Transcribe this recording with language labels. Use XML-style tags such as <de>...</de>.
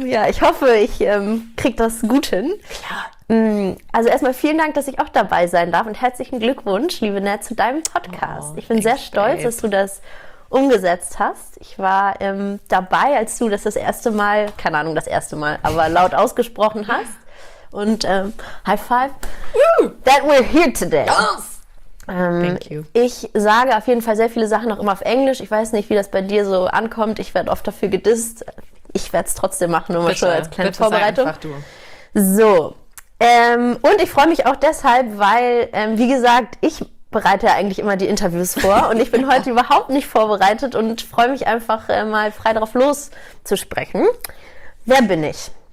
<de>Ich hoffe, ich kriege das gut hin. Also erstmal vielen Dank, dass ich auch dabei sein darf und herzlichen Glückwunsch, liebe Nat, zu deinem Podcast. Ich bin sehr stolz, dass du das umgesetzt hast. Ich war dabei, als du das erste Mal, aber laut ausgesprochen hast.</de> <en>Und High Five, that we're here today. Yes. Thank you.</en> <de>Ich sage auf jeden Fall sehr viele Sachen auch immer auf Englisch. Ich weiß nicht, wie das bei dir so ankommt. Ich werde oft dafür gedisst. Ich werde es trotzdem machen, nur mal schon als kleine Vorbereitung. Bitte sei einfach du. So. Und ich freue mich auch deshalb, weil, wie gesagt, ich bereite ja eigentlich immer die Interviews vor und ich bin heute überhaupt nicht vorbereitet und freue mich einfach mal frei drauf los zu sprechen. Wer bin ich?</de>